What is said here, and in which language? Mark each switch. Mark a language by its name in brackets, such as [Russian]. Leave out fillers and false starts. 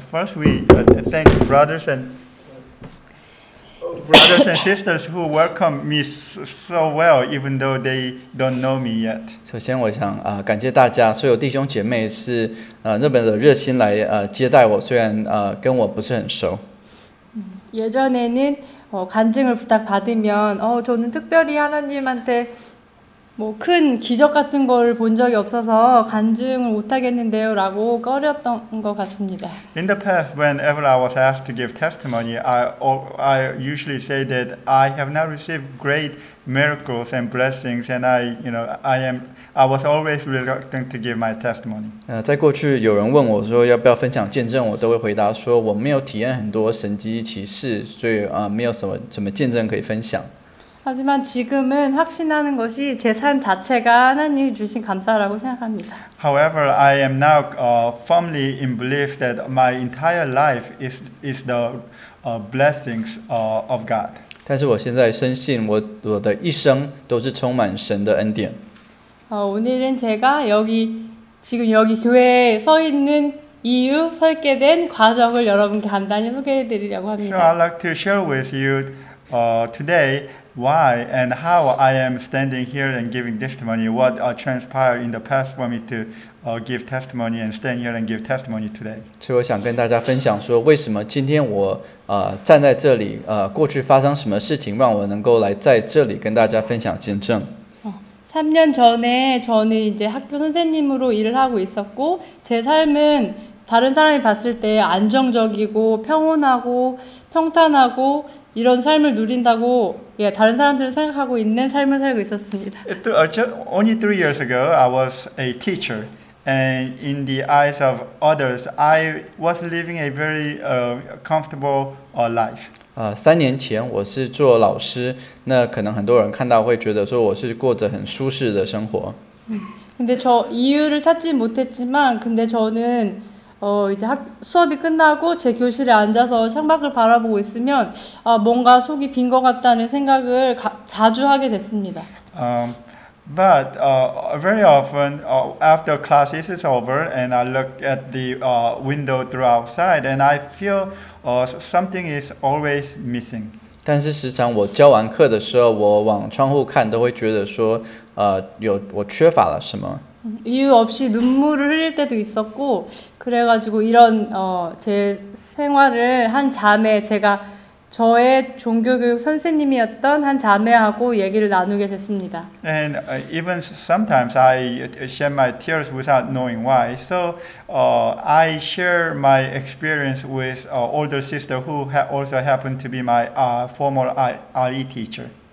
[English] First, we thank brothers and brothers and sisters who welcome me so well, even though they don't know me yet. [Chinese] 首先我想感谢大家，所有弟兄姐妹是那么的热心来接待我，虽然跟我不是很熟。 [Korean] 예전에는간증을부탁받으면저는특별히하나님한테뭐큰기적같은걸본적이없어서간증을못하겠는데요라고꺼렸던것같습니다 [English] In the past, whenever I was asked to give testimony, I usually say that I have not received great miracles and blessings, and I was always reluctant to give my testimony. [Chinese] 在过去有人问我说要不要分享见证，我都会回答说我没有体验很多神迹奇事，所以没有什么见证可以分享。 [Korean] 하지만지금은확신하는것이제삶자체가하나님이주신감사라고생각합니다 [English] However, I am now firmly in belief that my entire life is the blessings of God. [Chinese] 但是我现在深信我的一生都是充满神的恩典 [Korean] 오늘은제가여기지금여기교회에서있는이유설계된과정을여러분께간단히소개해드리려고합니다 [English] So I'd like to share with you today why and how I am standing here and giving testimony, what transpired in the past for me to give testimony and stand here and give testimony today. [Chinese] 所以我想跟大家分享说为什么今天我站在这里过去发生什么事情让我能够来在这里跟大家分享见证。 [Korean] 3년전에저는이제학교선생님으로일을하고있었고제삶은다른사람이봤을때안정적이고평온하고평탄하고이런삶을누린다고예다른사람들은생각하고있는삶을살고있었습니다 [English] Only 3 years ago, I was a teacher, and in the eyes of others, I was living a very comfortable life. [Chinese] 3年前我是做老师，那可能很多人看到会觉得说我是过着很舒适的生活。 [Korean] 근데저이유를찾지못했지만근데저는이제수업이끝나고제교실에앉아서창밖을바라보고있으면뭔가속이빈것같다는생각을자주하게됐습니다 [English] But very often after classes is over and I look at the window through outside and I feel something is always missing [Chinese] 但是时常我教完课的时候我往窗户看都会觉得说有我缺乏了什么 [Korean] 이유 없이 눈물을 흘릴 때도 있었고 그래가지고 이런 제 생활을 한 자매 제가 저의 종교교육 선생님이었던 한 자매하고 얘기를 나누게 됐습니다. [English] And even sometimes I shed my tears without knowing why. So I share my experience with older sister who also happened to be my former RE teacher.